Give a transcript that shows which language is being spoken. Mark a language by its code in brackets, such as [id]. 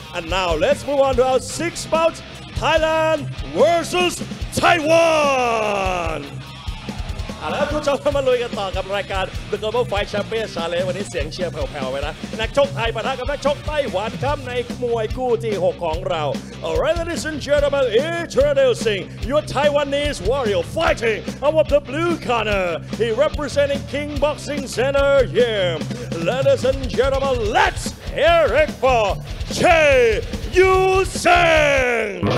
[en] And now let's move on to our sixth bout, Thailand versus Taiwan. [th] แล้วทุกท่านมาลุยกันต่อกับรายการ The Global Fight Champion Challenge วันนี้เสียงเชียร์แผ่วๆไปนะนักชกไทยปะทะกับนักชกไต้หวันครับในมวยคู่ที่6ของเรา [en] Alright ladies and gentlemen, introducing your Taiwanese warrior fighting out of the blue corner. He representing King Boxing Center here. Ladies and gentlemen, let's hear it for Che Yu Sang!